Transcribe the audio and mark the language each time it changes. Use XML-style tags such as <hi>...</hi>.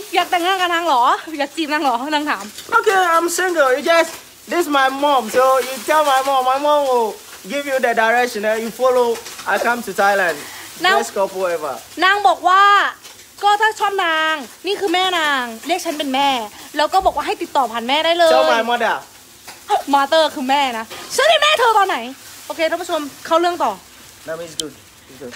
<th>อยากแต่งงานกับนางเหรออยากจีบนางเหรอนางถาม</th> <en>Okay, I'm single. You just this my mom. So you tell my mom will give you the direction. You follow. I come to Thailand. Best couple ever.</en> <th>นางบอกว่าก็ถ้าชอบนางนี่คือแม่นางเรียกฉันเป็นแม่แล้วก็บอกว่าให้ติดต่อผ่านแม่ได้เลย</th> <en>Tell my mother.</en> <th>Mother คือแม่นะฉันเป็นแม่เธอตอนไหนโอเคท่านผู้ชมเข้าเรื่องต่อ เ</th>